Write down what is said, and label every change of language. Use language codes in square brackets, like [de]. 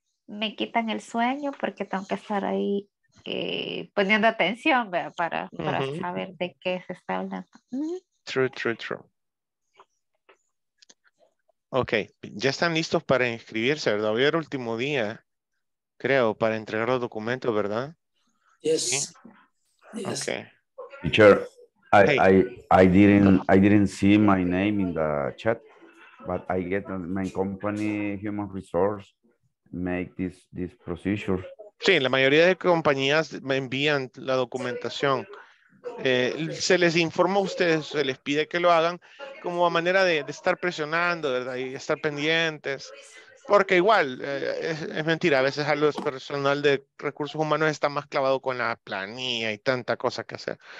[es] Me quitan el sueño porque tengo que estar ahí poniendo atención para uh-huh. saber de qué se está hablando. [en] True. [es] Ok, ya están listos para inscribirse, ¿verdad? Hoy era el último día, creo, para entregar los documentos, ¿verdad? [en] Yes. Okay. Teacher, hey. I didn't see my name in the chat, but I get my company human resource make this procedure. [es] Sí, la mayoría de compañías me envían la documentación. Se les informa a ustedes, se les pide que lo hagan como a manera de estar presionando, ¿verdad? Y estar pendientes. Porque igual, es mentira, a veces a los personal de recursos humanos está más clavado con la planilla y tanta cosa que hacer.